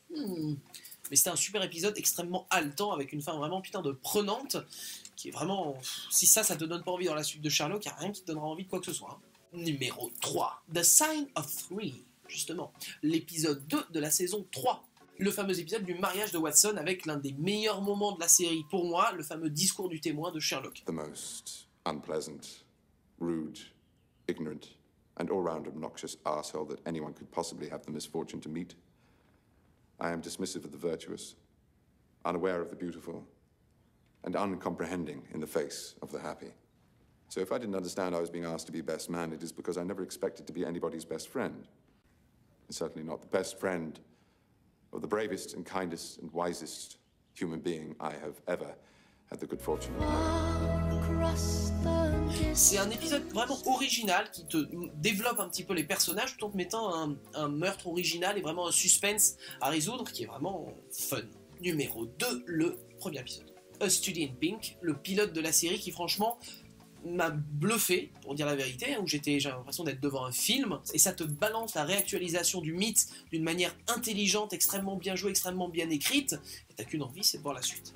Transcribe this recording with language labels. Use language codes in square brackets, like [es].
[fr] Mais c'était un super épisode extrêmement haletant, avec une fin vraiment putain de prenante, qui est vraiment... Si ça te donne pas envie dans la suite de Sherlock, y'a rien qui te donnera envie de quoi que ce soit. Numéro 3, The Sign of Three, justement, l'épisode 2 de la saison 3. Le fameux épisode du mariage de Watson avec l'un des meilleurs moments de la série pour moi, le fameux discours du témoin de Sherlock. [en] The most unpleasant, rude, ignorant, and all-round obnoxious asshole that anyone could possibly have the misfortune to meet. I am dismissive of the virtuous, unaware of the beautiful, and uncomprehending in the face of the happy. So if I didn't understand I was being asked to be best man, it is because I never expected to be anybody's best friend. And certainly not the best friend of the bravest and kindest and wisest human being I have ever had the good fortune to have. [fr] C'est un épisode vraiment original qui te développe un petit peu les personnages tout en te mettant un meurtre original et vraiment un suspense à résoudre qui est vraiment fun. Numéro 2, le premier épisode. A Study in Pink, le pilote de la série qui franchement m'a bluffé, pour dire la vérité, où j'ai l'impression d'être devant un film, et ça te balance la réactualisation du mythe d'une manière intelligente, extrêmement bien jouée, extrêmement bien écrite, et t'as qu'une envie, c'est de voir la suite.